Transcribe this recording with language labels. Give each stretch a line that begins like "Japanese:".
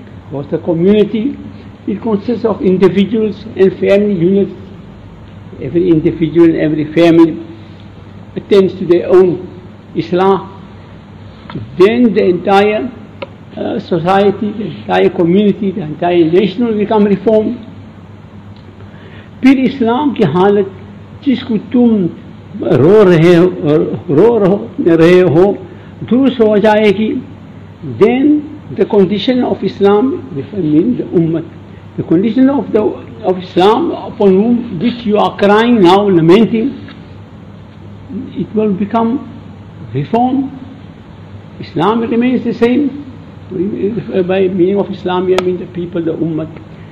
English: What's the community? It consists of individuals and family units. Every individual, every family attends to their own islah. Then the entire society, the entire community, the entire nation will become reformed.
Urdu: پھر اسلام کی حالت جس کو تم رو رہے ہو درست ہو جائے گی.
English: Then the condition of Islam, if I mean the ummah, the condition of Islam upon whom which you are crying now, lamenting, it will become reformed. Islam remains the same. By meaning of Islam, I mean the people, the ummah.